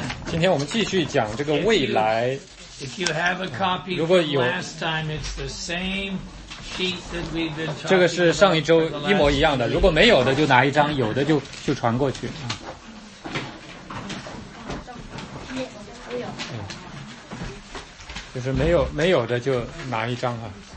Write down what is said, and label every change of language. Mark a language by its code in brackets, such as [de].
[zh] 今天我们继续讲这个未来。 [en] If you have a copy from last time, it's the same sheet that we've been talking about. [zh] 这个是上一周一模一样的。如果没有的，就拿一张；有的就传过去。就是没有的就拿一张啊。